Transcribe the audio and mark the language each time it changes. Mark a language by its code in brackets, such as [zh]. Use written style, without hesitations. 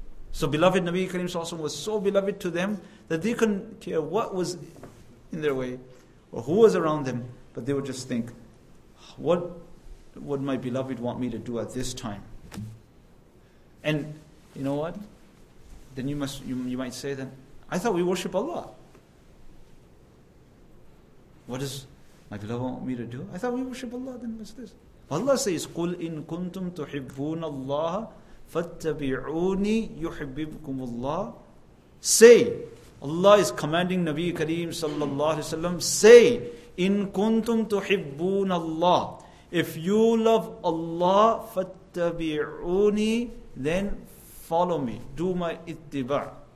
[en] So beloved Nabi Kareem Sallallahu Alaihi Wasallam was so beloved to them that they couldn't care what was in their way or who was around them, but they would just think, what would my beloved want me to do at this time? And you know what? Then you might say then, I thought we worship Allah. What does my beloved want me to do? I thought we worship Allah, then what's this? Allah says, [ar] قُلْ إِن كُنْتُمْ تُحِبُّونَ اللَّهَ فَاتَّبِعُونِي يُحِبِّبْكُمُ اللَّهِ. [en] Say, Allah is commanding Nabi Kareem sallallahu alayhi wa sallam, say, [ar] إِن كُنْتُمْ تُحِبُّونَ اللَّهَ, [en] if you love Allah, [ar] فَاتَّبِعُونِي, [en] then follow me, do my ittiba.